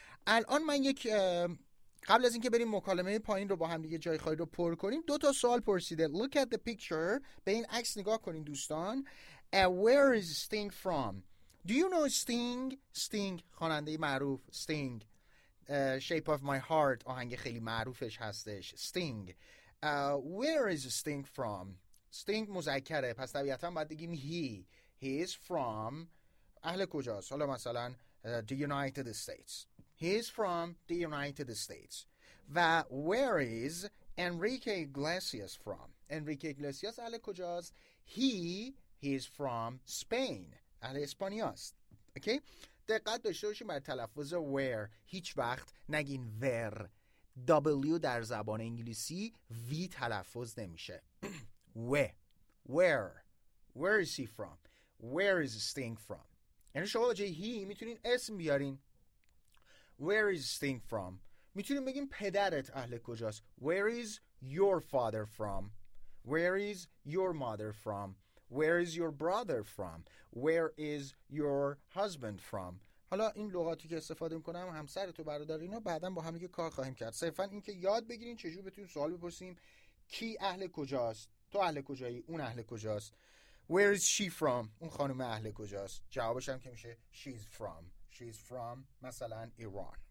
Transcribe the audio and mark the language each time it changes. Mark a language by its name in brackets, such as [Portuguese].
[Persian] الان من یک قبل از اینکه بریم مکالمه پایین رو با هم دیگه جای خالی رو پر کنیم، دو تا سوال پرسیده. [English] Look at the picture. [Persian] به این عکس نگاه کنین دوستان. [English] Where is Sting from? Do you know Sting? [Persian] Sting خواننده معروف Sting Shape of My Heart آهنگ خیلی معروفش هستش. [English] Sting where is Sting from? [Persian] Sting مذکره، پس طبیعتاً باید بگیم [English] he is from. [Persian] اهل کجاست؟ حالا مثلا the United States. [English] He is from the United States. و where is Enrique Iglesias from? Enrique Iglesias [Persian] اهل کجاست؟ [English] He is from Spain. [Persian] اهل اسپانیا است. اوکی؟ دقت داشته باشیم بر تلفظ where. هیچ وقت نگین where. W در زبان انگلیسی V تلفظ نمیشه. [English] Where is he from? Where is Sting from? [Persian] یعنی شما جای he میتونین اسم بیارین. [English] Where is Sting from? [Persian] میتونین بگین پدرت اهل کجاست. [English] Where is your father from? Where is your mother from? Where is your brother from? Where is your husband from? [Persian] حالا این لغاتی که استفاده میکنم همسر تو برادر اینا بعدن با هم دیگه کار خواهیم کرد. صرفا این که یاد بگیرین چجور بتونیم سوال بپرسیم کی اهل کجاست؟ تو اهل کجایی؟ اون اهل کجاست؟ [English] Where is she from? [Persian] اون خانم اهل کجاست؟ جوابش هم که میشه [English] She's from [Persian] مثلا ایران.